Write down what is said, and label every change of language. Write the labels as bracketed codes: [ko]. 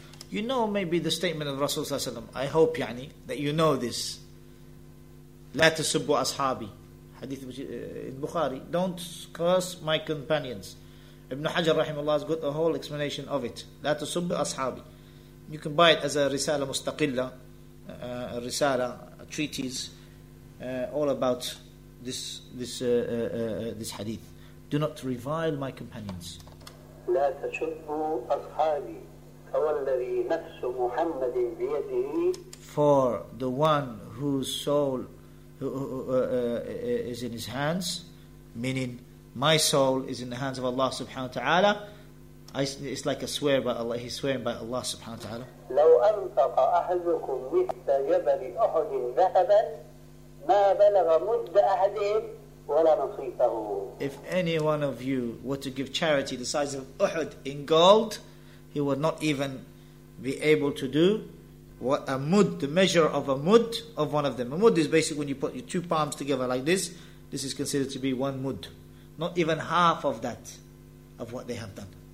[en] You know, maybe the statement of Rasul sallallahu alaihi wasallam. I hope, yani, that you know this. [ar] لا تسبوا أصحابي حديث البخاري. [en] Don't curse my companions. Ibn Hajar rahimahullah has got a whole explanation of it. [ar] لا تسبوا أصحابي. [en] You can buy it as a risala mustaqilla, a risala, a treatise, all about this hadith. Do not revile my companions. [ar] لا تسبوا أصحابي فوالذي نفس محمد بيده. [en] For the one whose soul is in his hands, meaning my soul is in the hands of Allah subhanahu wa ta'ala. It's like a swear by Allah. He's swearing by Allah subhanahu wa ta'ala. [ar] لو أنفق أهلكم مثل جبل أحد ذهبا ما بلغ مد أحدهم ولا نصيفه. [en] If any one of you were to give charity the size of Uhud in gold, he would not even be able to do what a mud, the measure of a mud of one of them. A mud is basically when you put your two palms together like this. This is considered to be one mud. Not even half of that, of what they have done.